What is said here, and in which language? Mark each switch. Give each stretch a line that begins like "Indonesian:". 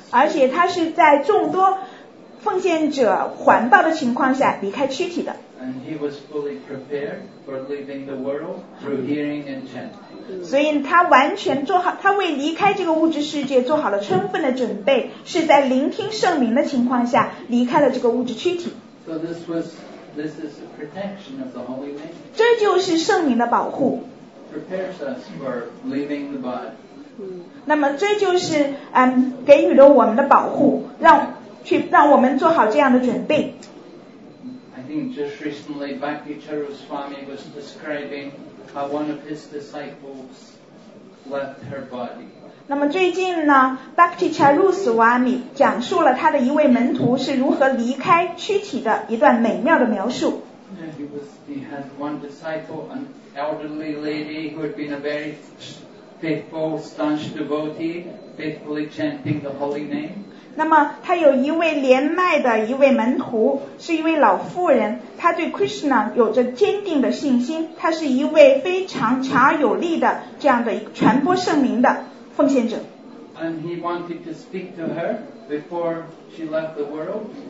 Chinese: 而且他是在众多奉献者环抱的情况下离开躯体的。
English: And he was fully prepared for leaving the world through hearing and chanting.
Chinese: 所以他完全做好，他为离开这个物质世界做好了充分的准备，是在聆听圣灵的情况下离开了这个物质躯体。
English: So this is the protection of the holy name.
Chinese: 这就是圣灵的保护。
English: Prepares us for leaving the body.
Chinese: 那么这就是给予了我们的保护，让我们做好这样的准备。
English: I think just recently Bhakti Charu Swami was describing how one of his disciples left her body.
Chinese: 那么最近呢 Bhakti Charu Swami 讲述了他的一位门徒是如何离开躯体的一段美妙的描述。
English: He had one disciple, an elderly lady who had been a very faithful, staunch devotee, faithfully chanting the holy name.
Chinese: 那么他有一位年迈的一位门徒，是一位老妇人，他对 Krishna 有着坚定的信心，他是一位非常强而有力的这样的传播圣名的奉献者。
English: And he wanted to speak to her before she left the world.